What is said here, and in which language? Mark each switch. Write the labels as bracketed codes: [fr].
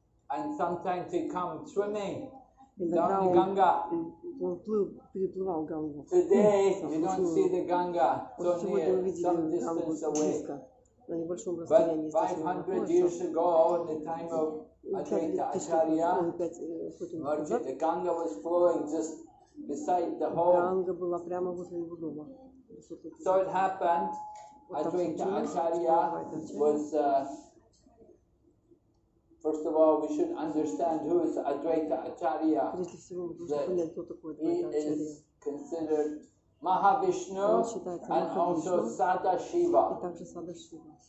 [en] And sometimes he come swimming down the Ganga. [ru] Переплывал Гангу. Сегодня мы видели Гангу близко, на небольшом расстоянии. Но 500 лет назад, Ганга была прямо возле его дома. [en] So it happened, Адвайта Ачарья was first of all, we should understand who is Advaita Acharya. He is considered Mahavishnu and also Sadashiva.